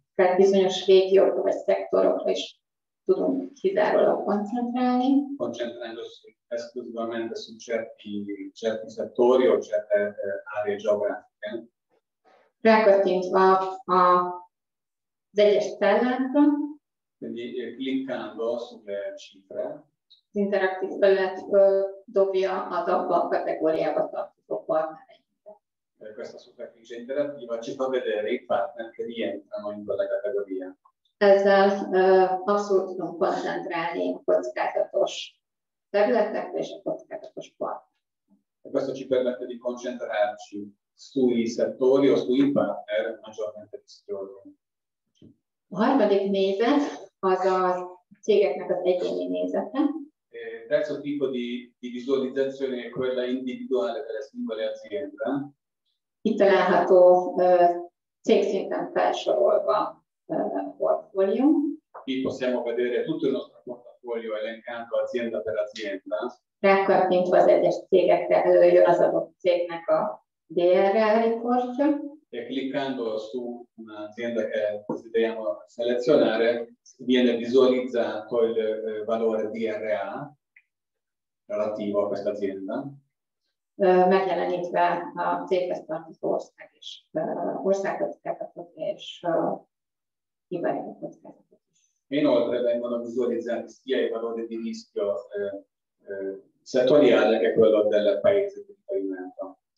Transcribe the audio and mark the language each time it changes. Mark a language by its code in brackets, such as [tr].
[hu] Tehát bizonyos régiókra vagy szektorokra is tudom kizárólag koncentrálni. Koncentrálni [it] esclusivamente su certi settori o certe aree geografiche. [hu] Rákattintva az egyes felületre. [it] Quindi cliccando sulle cifre. [hu] Az interaktív felület dobja az abba a kategóriába tartozó partnereinket. [it] Questa superficie interattiva ci fa vedere i partner che rientrano in quella categoria. [hu] Ezzel abszolút tudunk koncentrálni a kockázatos területekre és a kockázatos partnereinket. [it] Questo ci permette di concentrarci sui settori o sui partner maggiormente rischiosi. [hu] A harmadik nézet az a cégeknek az egyéni nézete. [it] Terzo tipo di visualizzazione è quella individuale delle singole aziende. [hu] Itt található cégszinten felsorolva portfólió. [it] Qui possiamo vedere tutto il nostro portafoglio elencato azienda per azienda. [hu] Rákattintva az egyes cégekre előjön az adott cégnek a DRR riportja. [it] E cliccando su un'azienda che desideriamo selezionare, viene visualizzato il valore DRA relativo a questa azienda. [hu] Megjelenítve a céghez tartozó ország és országkockázatot és hibaelési kockázatot is. [it] E inoltre vengono visualizzati sia i valori di rischio settoriale che quello del paese di riferimento.